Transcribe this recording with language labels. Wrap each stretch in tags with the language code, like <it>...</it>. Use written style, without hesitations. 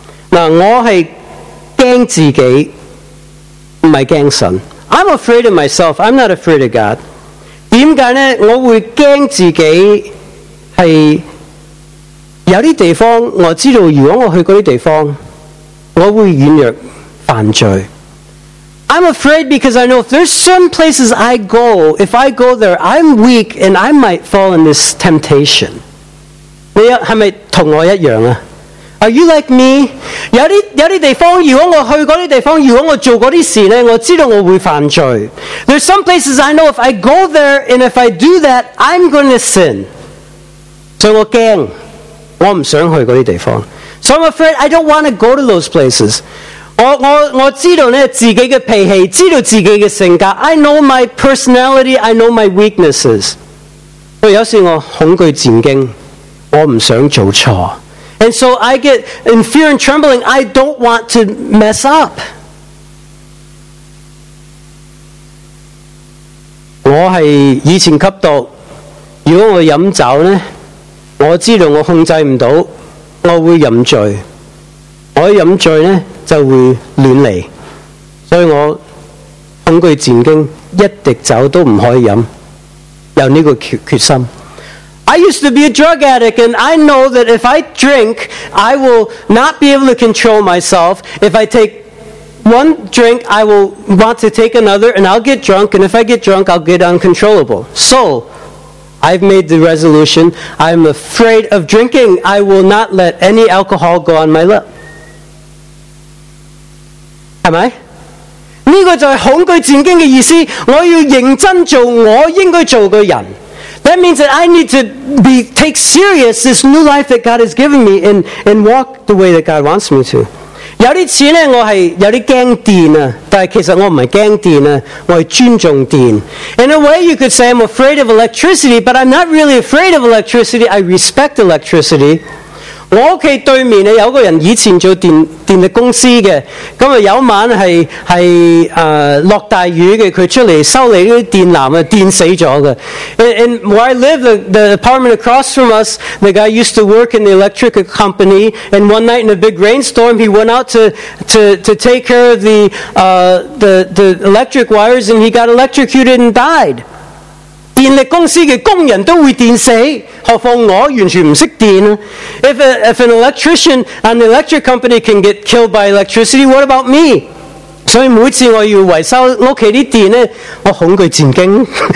<zh>那我是惊自己，不是惊神。</zh> <en>I'm afraid of myself. I'm not afraid of God.</en> <zh>为什么呢？我会惊自己是有些地方，我知道如果我去那些地方，我会软弱犯罪。</zh> <en>I'm afraid because I know if there's certain places I go, if I go there, I'm weak and I might fall in this temptation.</en> <zh>你是不是跟我一样啊？</zh> <en>Are you like me?</en> <zh>有些地方，如果我去那些地方，如果我做那些事呢，我知道我会犯罪。</zh> <en>There's some places I know if I go there and if I do that, I'm going to sin.</en> <zh>所以我怕，我不想去那些地方。</zh> <en>So I'm afraid I don't want to go to those places.</en> <zh>我知道呢，自己的脾气，知道自己的性格。</zh> <en>I know my personality, I know my weaknesses.</en> <zh>所以有时我恐惧战惊，我不想做错。</zh> <en>And so I get in fear and trembling, I don't want to mess up.</en> <zh>我是以前吸毒，如果我喝酒呢，我知道我控制不到，我会喝醉。我喝醉呢，就会乱来。所以我恐惧战惊，一滴酒都不可以喝，有这个决心。</zh> <en>I used to be a drug addict, and I know that if I drink, I will not be able to control myself. If I take one drink, I will want to take another, and I'll get drunk, and if I get drunk, I'll get uncontrollable. So, I've made the resolution. I'm afraid of drinking. I will not let any alcohol go on my lip. Am I?</en> <zh>这个就是恐惧战惊的意思，我要认真做我应该做的人。</zh> <en>That means that I need to take serious this new life that God has given me and walk the way that God wants me to.</en> <zh>有些次呢，我是有些怕电，但其实我不是怕电，我是尊重电。</zh> <en>In a way you could say I'm afraid of electricity, but I'm not really afraid of electricity, I respect electricity.</en> <zh>我家对面呢，有个人以前做电力公司的，今天有一晚是落大雨的，他出来修理的电缆，电死了的。</zh> <en>and where I live, the apartment across from us, the guy used to work in the electric company, and one night in a big rainstorm, he went out to take care of the electric wires, and he got electrocuted and died.</en> <zh>电力公司的工人都会电死，何况我完全不识电。</zh> <en>If an electrician on the electric company can get killed by electricity, what about me?</en> <zh>所以每次我要维修屋企的电呢，我恐惧战惊。</zh>